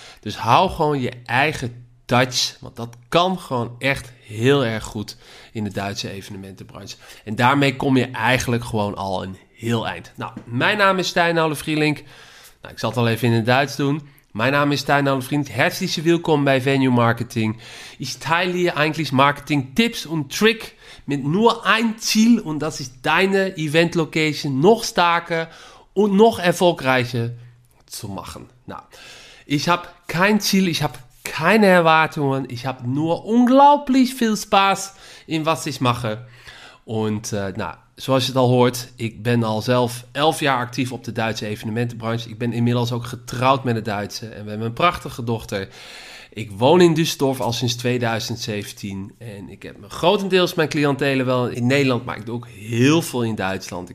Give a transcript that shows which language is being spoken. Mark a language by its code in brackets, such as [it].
[nl] Dus hou gewoon je eigen touch. Want dat kan gewoon echt heel erg goed in de Duitse evenementenbranche. En daarmee kom je eigenlijk gewoon al een heel eind. Nou, mijn naam is Stijn Ollevrielink. Nou, ik zal het al even in het Duits doen. Mijn naam is Stijn Ollevrielink. [de] Herzlich willkommen bij Venue Marketing. Ich teile hier eigentlich Marketing Tipps und Trick mit nur ein Ziel. Und das ist deine Event Location noch stärker und noch erfolgreicher zu machen. Na, ich habe kein Ziel, ich habe keine Erwartungen, ich habe nur unglaublich viel Spaß in was ich mache. [nl] Und zoals je het al hoort, ik ben al zelf 11 jaar actief op de Duitse evenementenbranche. Ik ben inmiddels ook getrouwd met een Duitse en we hebben een prachtige dochter. Ik woon in Düsseldorf al sinds 2017 en ik heb grotendeels mijn cliëntelen wel in Nederland, maar ik doe ook heel veel in Duitsland.